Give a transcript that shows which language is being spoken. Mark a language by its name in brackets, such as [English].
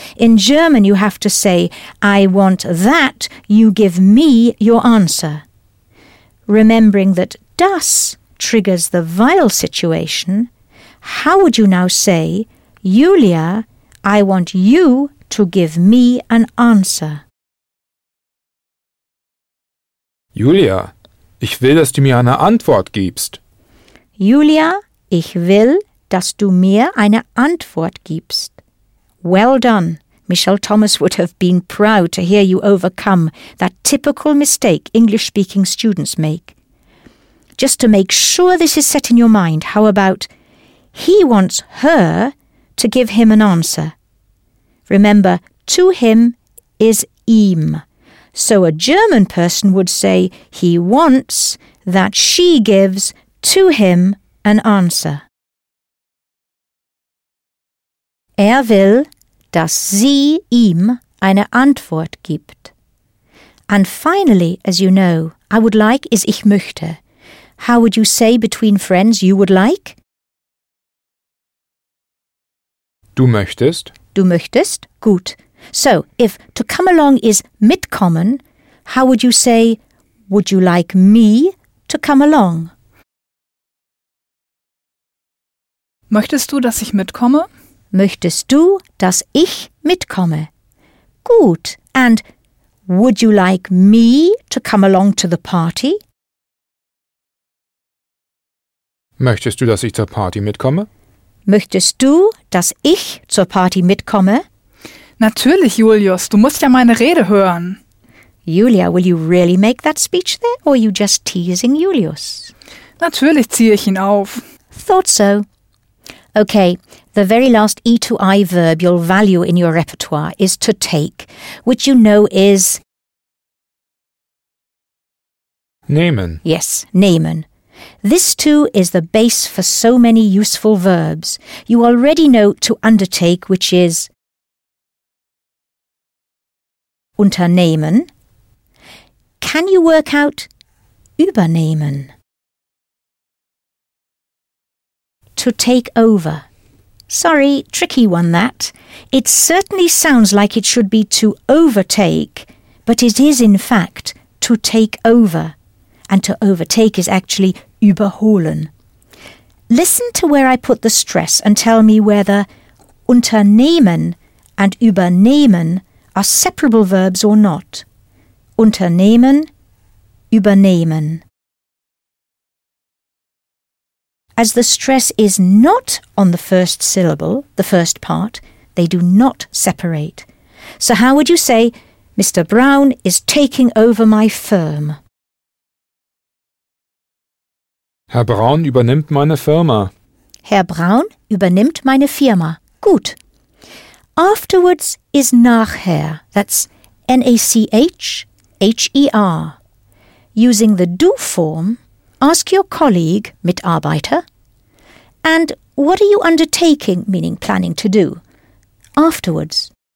[English] In German, you have to say, I want that you give me your answer. Remembering that das triggers the weil situation, how would you now say, Julia, I want you to give me an answer? [German] Julia, ich will, dass du mir eine Antwort gibst. Julia, ich will, dass du mir eine Antwort gibst. [English] Well done. Michelle Thomas would have been proud to hear you overcome that typical mistake English-speaking students make. Just to make sure this is set in your mind, how about, he wants her to give him an answer. Remember, to him is ihm. So a German person would say, he wants that she gives to him an answer. [German] Will, dass sie ihm eine Antwort gibt. [English] And finally, as you know, I would like is [German] ich möchte. [English] How would you say between friends you would like? [German] Du möchtest. Du möchtest, gut. [English] So, if to come along is mitkommen, how would you say, would you like me to come along? [German] Möchtest du, dass ich mitkomme? Möchtest du, dass ich mitkomme? Gut. [English] And would you like me to come along to the party? [German] Möchtest du, dass ich zur Party mitkomme? Möchtest du, dass ich zur Party mitkomme? Natürlich, Julius, du musst ja meine Rede hören. [English] Julia, will you really make that speech there, or are you just teasing Julius? [German] Natürlich ziehe ich ihn auf. [English] Thought so. Okay, the very last E to I verb you'll value in your repertoire is to take, which you know is... [German] Nehmen. [English] Yes, nehmen. This too is the base for so many useful verbs. You already know to undertake, which is... [German] Unternehmen. [English] Can you work out übernehmen? To take over. Sorry, tricky one that. It certainly sounds like it should be to overtake, but it is in fact to take over. And to overtake is actually überholen. Listen to where I put the stress and tell me whether unternehmen and übernehmen are separable verbs or not. [German] Unternehmen, übernehmen. [English] As the stress is not on the first syllable, the first part, they do not separate. So how would you say, Mr. Brown is taking over my firm? [German] Herr Braun übernimmt meine Firma. Herr Braun übernimmt meine Firma. Gut. [English] Afterwards is nachher. That's N-A-C-H-H-E-R. Using the do form, Ask your colleague, Mitarbeiter. And what are you undertaking, meaning planning to do, afterwards?